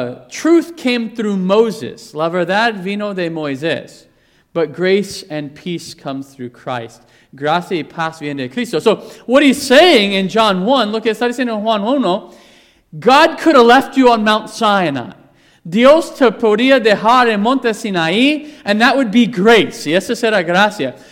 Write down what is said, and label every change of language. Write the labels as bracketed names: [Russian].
[English] truth came through Moses. [Spanish] La verdad vino de Moisés. [English] But grace and peace come through Christ. [Spanish] Gracia y paz viene de Cristo. [English] So what he's saying in John 1, look at what in Juan 1, God could have left you on Mount Sinai. [Spanish] Dios te podría dejar en Monte Sinai, [English] and that would be grace. [Spanish] Y eso será gracia.